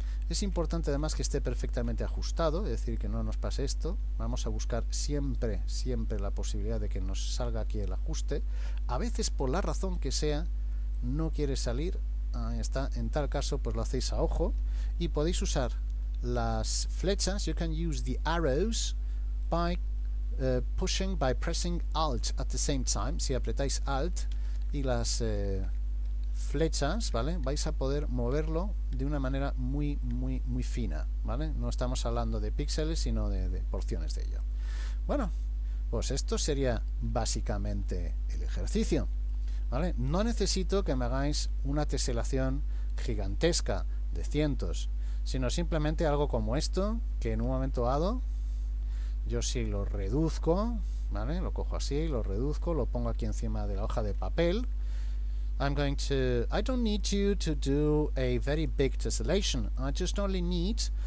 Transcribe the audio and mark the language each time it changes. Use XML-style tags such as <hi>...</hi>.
<es>Es importante además que esté perfectamente ajustado, es decir, que no nos pase esto. Vamos a buscar siempre, siempre la posibilidad de que nos salga aquí el ajuste. A veces, por la razón que sea, no quiere salir. Ahí está. En tal caso, pues lo hacéis a ojo. Y podéis usar las flechas.</es> <en>You can use the arrows by pushing, by pressing Alt at the same time.</en> <es>Si apretáis Alt y las flechas, ¿vale? Vais a poder moverlo de una manera muy, muy, muy fina, ¿vale? No estamos hablando de píxeles, sino de porciones de ello. Bueno, pues esto sería básicamente el ejercicio, ¿vale? No necesito que me hagáis una teselación gigantesca de cientos, sino simplemente algo como esto, que en un momento dado, yo sí lo reduzco, ¿vale? Lo cojo así, lo reduzco, lo pongo aquí encima de la hoja de papel.</es> <en>I don't need you to do a very big tessellation. I just only need</en>